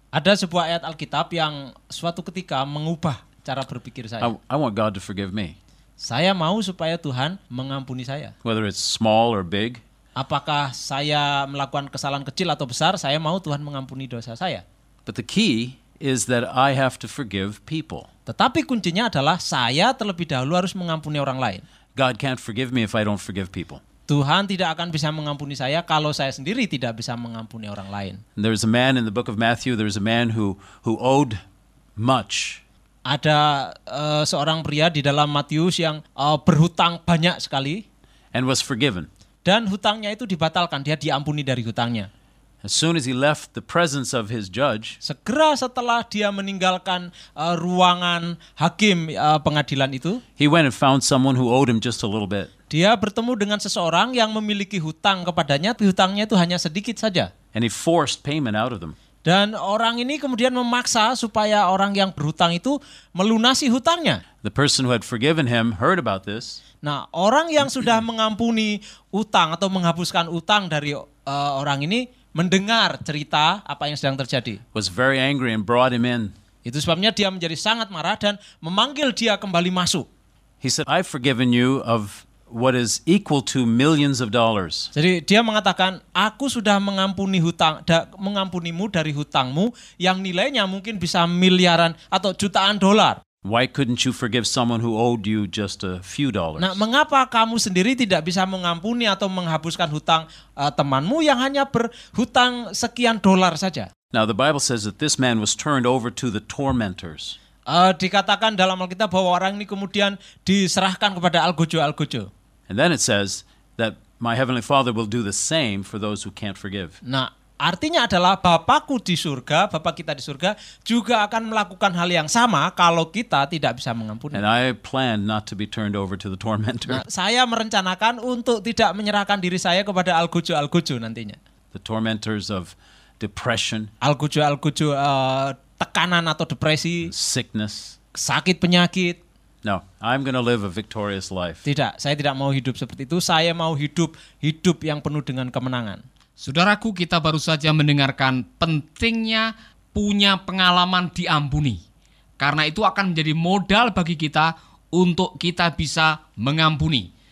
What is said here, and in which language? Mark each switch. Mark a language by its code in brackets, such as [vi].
[id] Ada sebuah ayat Alkitab yang suatu ketika mengubah cara berpikir saya. [en] I want God to forgive me. [id] Saya mau supaya Tuhan mengampuni saya. [en] Whether it's small or big. [id] Apakah saya melakukan kesalahan kecil atau besar, saya mau Tuhan mengampuni dosa saya. [en] But the key is that I have to forgive people. [id] Tetapi kuncinya adalah saya terlebih dahulu harus mengampuni orang lain. [en] God can't forgive me if I don't forgive people. [id] Tuhan tidak akan bisa mengampuni saya kalau saya sendiri tidak bisa mengampuni orang lain. [en] There is a man in the book of Matthew, there is a man who owed much. [id] Ada seorang pria di dalam Matius yang berhutang banyak sekali. [en] And was forgiven. [id] Dan hutangnya itu dibatalkan, dia diampuni dari hutangnya. [en] As soon as he left the presence of his judge. [id] Segera setelah dia meninggalkan ruangan hakim pengadilan itu. [en] He went and found someone who owed him just a little bit. [id] Dia bertemu dengan seseorang yang memiliki hutang kepadanya, hutangnya itu hanya sedikit saja. [en] And he forced payment out of them. [id] Dan orang ini kemudian memaksa supaya orang yang berhutang itu melunasi hutangnya. [en] The person who had forgiven him heard about this. [id] Nah, orang yang sudah mengampuni utang atau menghapuskan utang dari orang ini mendengar cerita apa yang sedang terjadi. [en] Was very angry and brought him in. [id] Itu sebabnya dia menjadi sangat marah dan memanggil dia kembali masuk. [en] He said, "I've forgiven you of what is equal to millions of dollars." [id] Jadi dia mengatakan, "Aku sudah mengampuni hutang mengampunimu dari hutangmu yang nilainya mungkin bisa miliaran atau jutaan dolar." [en] Why couldn't you forgive someone who owed you just a few dollars? [id] Nah, mengapa kamu sendiri tidak bisa mengampuni atau menghapuskan hutang temanmu yang hanya berhutang sekian dolar saja? [en] Now the Bible says that this man was turned over to the tormentors. [id] Dikatakan dalam Alkitab bahwa orang ini kemudian diserahkan kepada algojo-algojo. [en] And then it says that my heavenly Father will do the same for those who can't forgive. [id] Nah, artinya adalah Bapakku di surga, Bapak kita di surga juga akan melakukan hal yang sama kalau kita tidak bisa mengampuni. [en] And I plan not to be turned over to the tormentor. [id] Nah, saya merencanakan untuk tidak menyerahkan diri saya kepada algojo-algojo nantinya. [en] The tormentors of depression. [id] Algojo-algojo tekanan atau depresi, [en] sickness, [id] sakit penyakit. [en] No, I'm going to live a victorious life. [id] Tidak, saya tidak mau hidup seperti itu. Saya mau hidup yang penuh dengan kemenangan. Saudaraku, kita baru saja mendengarkan pentingnya punya pengalaman diampuni. Karena itu akan menjadi modal bagi kita untuk kita bisa mengampuni.